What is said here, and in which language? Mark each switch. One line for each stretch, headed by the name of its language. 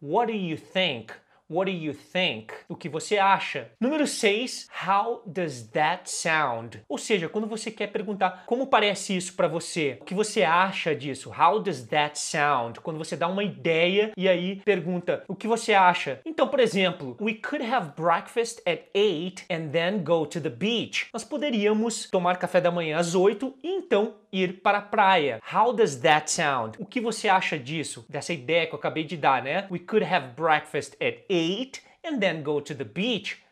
English: What do you think? What do you think?
Portuguese: O que você acha? Número 6,
English: how does that sound?
Portuguese: Ou seja, quando você quer perguntar como parece isso pra você, o que você acha disso?
English: How does that sound?
Portuguese: Quando você dá uma ideia e aí pergunta o que você acha? Então, por exemplo,
English: we could have breakfast at 8 and then go to the beach.
Portuguese: Nós poderíamos tomar café da manhã às 8 e então ir para a praia.
English: How does that sound?
Portuguese: O que você acha disso? Dessa ideia que eu acabei de dar, né?
English: We could have breakfast at 8 and then go to the beach.